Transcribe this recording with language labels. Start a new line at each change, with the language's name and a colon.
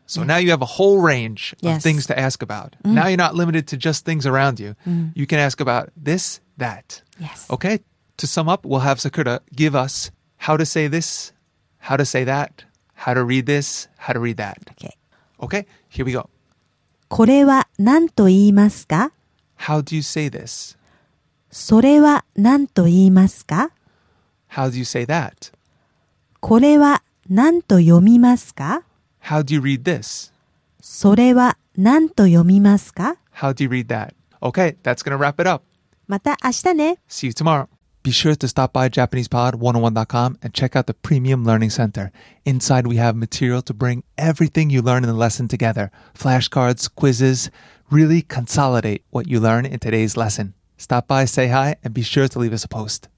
English: So now you have a whole range of things to ask about. Mm. Now you're not limited to just things around you. Mm. You can ask about this, that. Yes. Okay, to sum up, we'll have Sakura give us how to say this, how to say that, how to read this, how to read that. Okay. Okay, here we go.
Japanese: これは何と言いますか?
English: How do you say this?
Japanese: それは何と言いますか?
English: How do you say that?
Japanese: これは何と読みますか?
English: How do you read this?
Japanese: それは何と読みますか?
English: How do you read that? Okay, that's going to wrap it up.
Japanese: また明日ね。
English: See you tomorrow. Be sure to stop by JapanesePod101.com and check out the Premium Learning Center. Inside, we have material to bring everything you learn in the lesson together. Flashcards, quizzes, really consolidate what you learn in today's lesson. Stop by, say hi, and be sure to leave us a post.